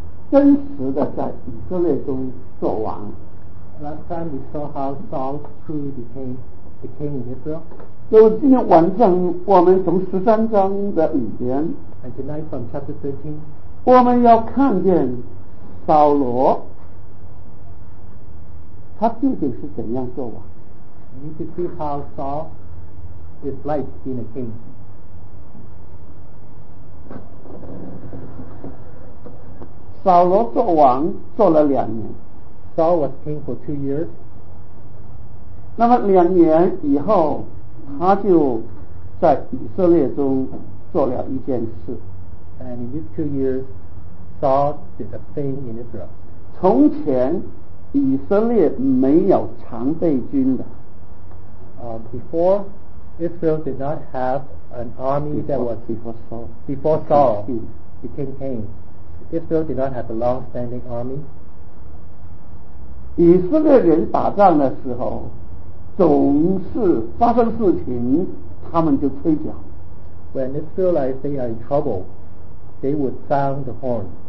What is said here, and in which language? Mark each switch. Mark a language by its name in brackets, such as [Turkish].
[Chinese] 真实的在以色列中做王。 [English] Last time we saw how Saul truly became in Israel. [Chinese] 就今天晚上我们从十三章的语言 [English] ，and tonight from chapter 13, [Chinese] 我们要看见扫罗他究竟是怎样做王。 [English] You can see how Saul is like being a king. [Chinese] 扫罗做王做了两年。 [English] Saul was king for 2 years. [Chinese] 那么两年以后，他就在以色列中做了一件事。 [English] And in these 2 years, Saul did a thing in Israel. [Chinese] 从前以色列没有常备军的。 [English] Before Israel did not have an army before Saul became king. Israel did not have a long-standing army. [Chinese] 以色列人打仗的时候，总是发生事情，他们就吹角。 [English] When Israelites they are in trouble, they would sound the horn.